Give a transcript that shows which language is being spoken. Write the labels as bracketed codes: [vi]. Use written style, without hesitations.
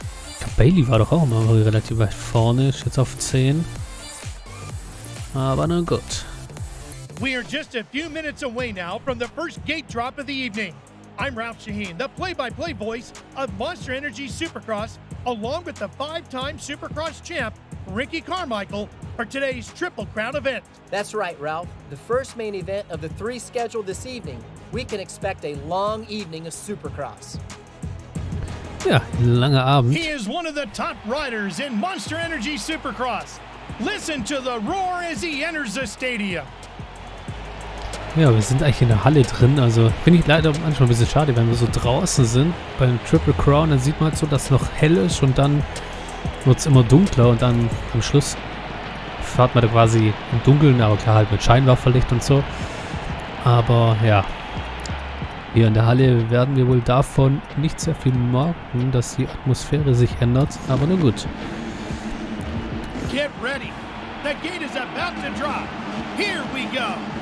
[de] Ich glaube, Bailey war doch auch immer relativ weit vorne. Ist jetzt auf 10. Aber na gut. [en] We are just a few minutes away now from the first gate drop of the evening. I'm Ralph Shaheen, the play-by-play voice of Monster Energy Supercross, along with the five-time Supercross champ, Ricky Carmichael, for today's Triple Crown event. That's right, Ralph. The first main event of the three scheduled this evening, we can expect a long evening of Supercross. [de] Yeah, langer Abend. [en] He is one of the top riders in Monster Energy Supercross. Listen to the roar as he enters the stadium. [de] Ja, wir sind eigentlich in der Halle drin, also finde ich leider manchmal ein bisschen schade, wenn wir so draußen sind. Beim Triple Crown, dann sieht man halt so, dass es noch hell ist und dann wird es immer dunkler und dann am Schluss fährt man da quasi im Dunkeln, aber klar halt mit Scheinwerferlicht und so. Aber ja, hier in der Halle werden wir wohl davon nicht sehr viel merken, dass die Atmosphäre sich ändert, aber nun gut. [en] Get ready. The gate is about to drop. Here we go.